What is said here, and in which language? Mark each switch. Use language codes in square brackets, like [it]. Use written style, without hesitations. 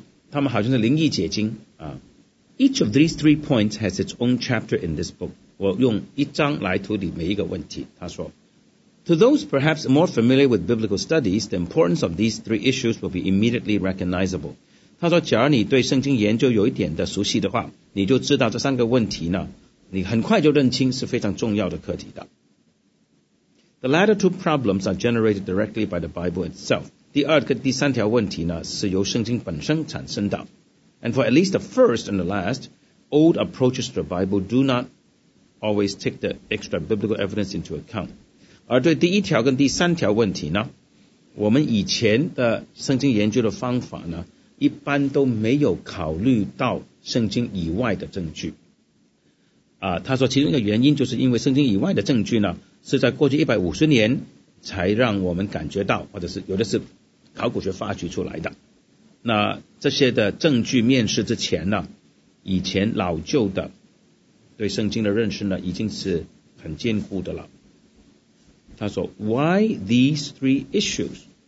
[zh] 他们好像是灵异解经、 [en] 啊、Each of these three points has its own chapter in this book. [zh] 我用一章来处理每一个问题。他说 [en] To those perhaps more familiar with biblical studies, the importance of these three issues will be immediately recognizable. [zh] 他说假如你对圣经研究有一点的熟悉的话你就知道这三个问题呢你很快就认清是非常重要的课题的。 [en] The latter two problems are generated directly by the Bible itself. [zh] 第二个第三条问题呢是由圣经本身产生的。 [en] And for at least the first and the last, old approaches to the Bible do not always take the extra biblical evidence into account. [zh] 而对第一条跟第三条问题呢我们以前的圣经研究的方法呢一般都没有考虑到圣经以外的证据、啊、他说其中一个原因就是因为圣经以外的证据呢是在过去150年才让我们感觉到或者是有的是考古学发掘出来的那这些的证据面世之前呢以前老旧的对圣经的认识呢已经是很坚固的了他说 [en] Why these three issues?